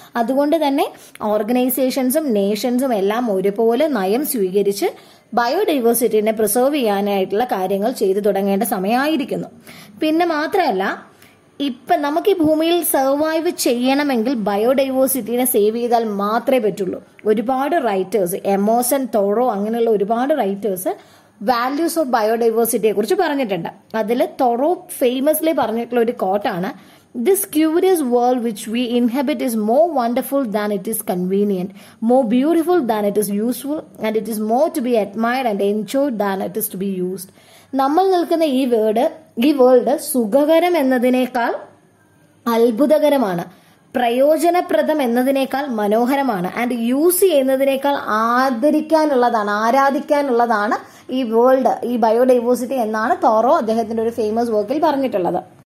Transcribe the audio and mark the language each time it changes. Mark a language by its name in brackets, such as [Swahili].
[Malayalam] അതുകൊണ്ട് തന്നെ ഓർഗനൈസേഷൻസും നേഷൻസും എല്ലാം ഒരുപോലെ നയം സ്വീകരിച്ച് ബയോഡൈവേഴ്സിറ്റിനെ പ്രിസർവ് ചെയ്യാനായിട്ടുള്ള കാര്യങ്ങൾ ചെയ്തു തുടങ്ങേണ്ട സമയമായിരിക്കുന്നു. പിന്നെ മാത്രമല്ല, ഇപ്പം നമുക്ക് ഈ ഭൂമിയിൽ സർവൈവ് ചെയ്യണമെങ്കിൽ ബയോഡൈവേഴ്സിറ്റിനെ സേവ് ചെയ്താൽ മാത്രമേ പറ്റുള്ളൂ. ഒരുപാട് റൈറ്റേഴ്സ്, എമോസൺ, തോറോ, അങ്ങനെയുള്ള ഒരുപാട് റൈറ്റേഴ്സ് വാല്യൂസ് ഓഫ് ബയോഡൈവേഴ്സിറ്റിയെ കുറിച്ച് പറഞ്ഞിട്ടുണ്ട്. അതിൽ തോറോ ഫേമസ്ലി പറഞ്ഞിട്ടുള്ള ഒരു കോട്ടാണ്, [English] This curious world which we inhabit is more wonderful than it is convenient, more beautiful than it is useful, and it is more to be admired and enjoyed than it is to be used. [Malayalam] നമ്മൾ നിൽക്കുന്ന ഈ world സുഖകരം എന്നതിനേക്കാൾ അത്ഭുതകരമാണ്, പ്രയോജനപ്രദം എന്നതിനേക്കാൾ മനോഹരമാണ്, and use ചെയ്യുന്നതിനേക്കാൾ ആദരിക്കാനുള്ളതാണ്, ആരാധിക്കാനുള്ളതാണ് ഈ world, ഈ biodiversity എന്നാണ് തോറോ അദ്ദേഹത്തിന്റെ ഒരു ഫേമസ് വർക്കിൽ പറഞ്ഞിട്ടുള്ളത്.